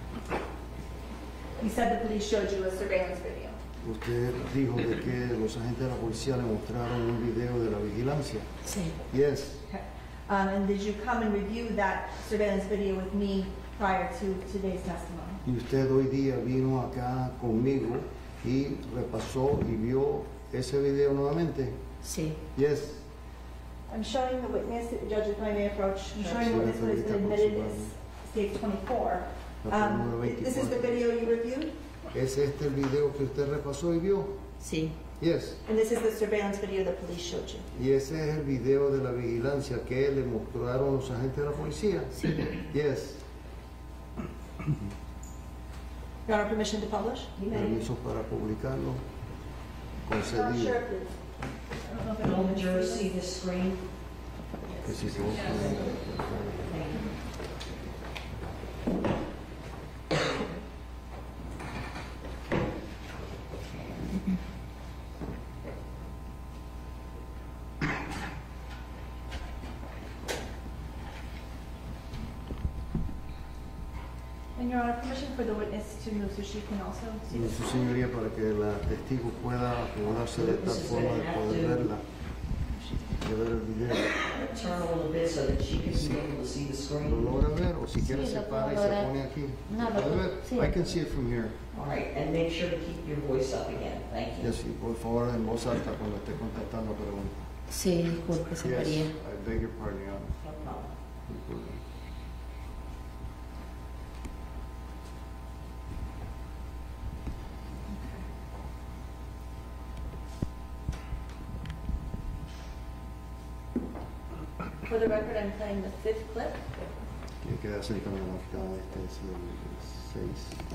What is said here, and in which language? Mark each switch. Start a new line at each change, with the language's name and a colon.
English: You said the police showed you a surveillance video.
Spanish: Usted dijo de que los agentes de la policía le mostraron un video de la vigilancia. Sí.
English: Yes. Okay. And did you come and review that surveillance video with me prior to today's testimony?
Spanish: Y usted hoy día vino acá conmigo y repasó y vio ese video nuevamente. Sí.
English: Yes. I'm showing the witness, Judge, if I may approach. I'm showing the witness who has been admitted as stage 24. This is the video you reviewed?
Spanish: ¿Es este el video que usted repasó y vio? Sí.
English: Yes. And this is the surveillance video the police showed you.
Spanish: ¿Y ese es el video de la vigilancia que le mostraron los agentes de la policía? Sí.
English: Yes. You have permission to publish?
Spanish: Permiso para publicarlo. Concedido.
English: Sure. Can all the jurors see this screen? Yes.
Spanish: Y su señoría, para que la testigo pueda acomodarse de tal forma de poder verla, de ver el video. ¿Lo logra ver? O si quiere, se para y se pone aquí. ¿Puede ver?
English: I can see it from here. All right, and make sure to keep your voice up again. Thank you. Yes,
Spanish: y por favor, en voz alta cuando esté contestando preguntas.
English: Thank you.
Spanish: Sí, disculpe, señoría.
English: Yes, I beg your pardon. No problem. For the record, I'm playing the fifth clip.
Spanish: ¿Qué queda así con la final de este seis?